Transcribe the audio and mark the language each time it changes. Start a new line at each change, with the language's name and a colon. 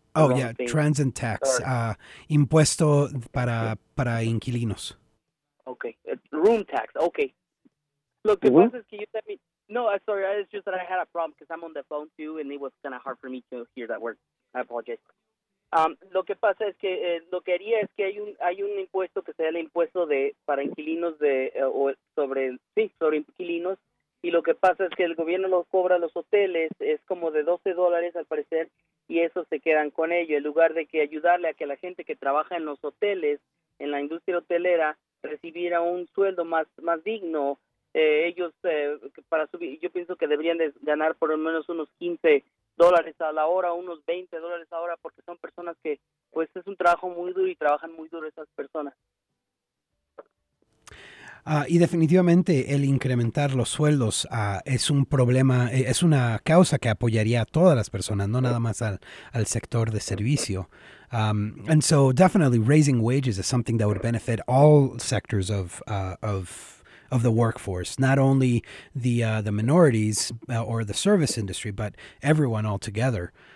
English: Oh, yeah, transient tax.
Spanish: Impuesto para inquilinos.
English: Okay, room tax. Okay. Look, the question is, can you send me? No, sorry, it's just that I had a problem because I'm on the phone too, and it was kind of hard for me to hear that word. I apologize.
Spanish: Lo que pasa es que lo que haría es que hay un impuesto que sea el impuesto de para inquilinos de o sobre sí sobre inquilinos, y lo que pasa es que el gobierno los cobra a los hoteles, es como de $12 al parecer, y eso se quedan con ello en lugar de que ayudarle a que la gente que trabaja en los hoteles, en la industria hotelera, recibiera un sueldo más digno. Yo pienso que deberían de ganar por lo menos unos $15 a la hora, unos $20 a la hora, porque son personas que, pues, es un trabajo muy duro y trabajan muy duro esas personas. Y definitivamente el incrementar los sueldos es un problema, es una causa que apoyaría a todas las personas, no nada más al sector de servicio.
English: And so definitely raising wages is something that would benefit all sectors of the workforce, not only the minorities or the service industry, but everyone altogether.